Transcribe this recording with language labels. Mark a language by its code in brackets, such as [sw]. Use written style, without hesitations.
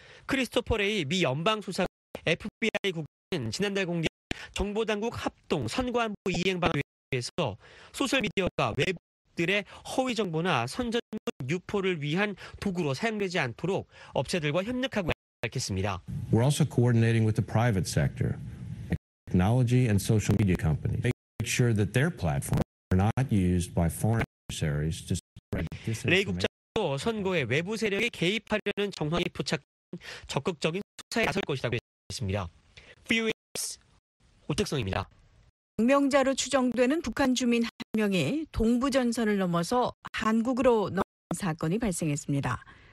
[ko] 크리스토퍼 레이 미 연방수사관 FBI 국장은 지난달 공개한 정보당국 합동 선거안보 이행방안 에서 소셜미디어가 외부들의 허위정보나 선전문 유포를 위한 도구로 사용되지 않도록 업체들과 협력하고 밝혔습니다. [en] We're also coordinating with the private sector, technology and social media companies to make sure that their platforms are not used by foreign adversaries to spread disinformation. [ko] 레이 국장도 선거에 외부 세력이 개입하려는 정황이 포착된 적극적인 수사에 나설 것이라고 했습니다. 뷰잉스 오택성입니다. 망명자로 추정되는 북한 주민 한 명이 동부전선을 넘어서 한국으로 넘어온 사건이 발생했습니다.